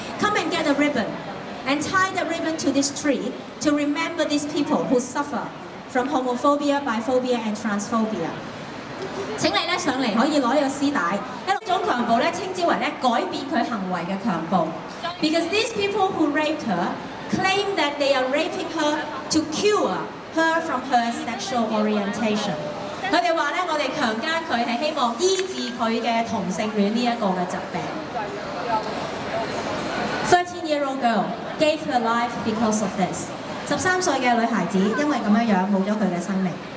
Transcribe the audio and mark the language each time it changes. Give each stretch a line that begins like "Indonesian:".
English: Come and get a ribbon and tie the ribbon to this tree to remember these people who suffer. From homophobia, biphobia, and transphobia.
Cantonese: 請你咧上嚟可以攞一個絲帶，一種強暴咧稱之為咧改變佢行為嘅強暴。
English: Because these people who raped her claim that they are raping her to cure her from her sexual orientation.
Cantonese: 佢哋話咧，我哋強姦佢係希望醫治佢嘅同性戀呢一個嘅疾病。
English: 13-year-old girl gave her life because of this.
Cantonese: 13岁嘅女孩子因为咁样样冇咗佢嘅生命。